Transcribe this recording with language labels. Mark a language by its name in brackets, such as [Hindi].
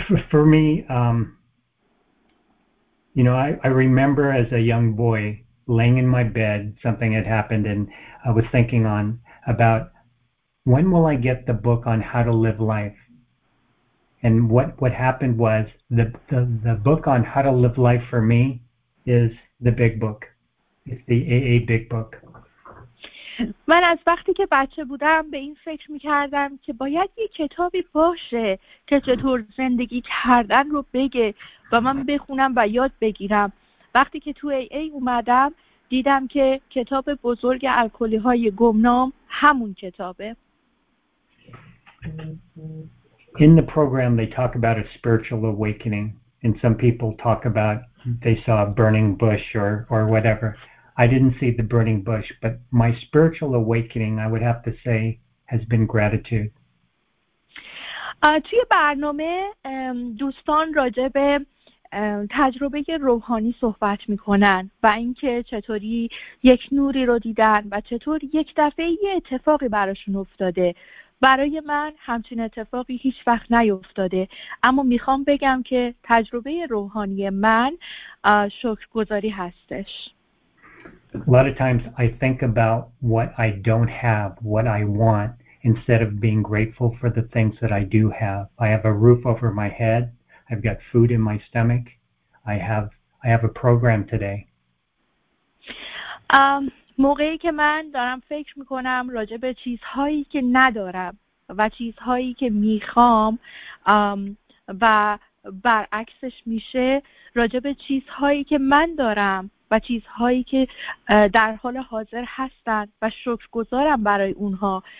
[English] For me, you know, I remember as a young boy laying in my bed, something had happened, and I was thinking on about when will I get the book on how to live life? And what happened was the book on how to live life for me is the big book. It's the AA big book. [Persian] من از وقتی که بچه بودم به این فکر میکردم که باید یه کتابی باشه که چطور زندگی کردن رو بگه و من بخونم و یاد بگیرم. وقتی که تو AA اومدم دیدم که کتاب بزرگ الکلی های گمنام همون کتابه. [English] In the program they talk about a spiritual awakening and some people talk about they saw a burning bush or whatever. I didn't see the burning bush, but my spiritual awakening, I would have to say, has been gratitude. [Persian] توی برنامه دوستان راجع به تجربه روحانی صحبت می‌کنن و اینکه چطوری یک نوری رو دیدن و چطور یک دفعه یه اتفاقی براشون افتاده. برای من همچین اتفاقی هیچ وقت نیفتاده اما می‌خوام بگم که تجربه روحانی من شکرگزاری هستش. [English] A lot of times I think about what I don't have, what I want, instead of being grateful for the things that I do have. I have a roof over my head. I've got food in my stomach. I have a program today. [Persian] موقعی که من دارم فکر میکنم راجع به چیزهایی که ندارم و چیزهایی که میخوام و برعکسش میشه راجع به چیزهایی که من دارم و چیزهایی که در حال حاضر هستن و شکرگزارم برای اونها.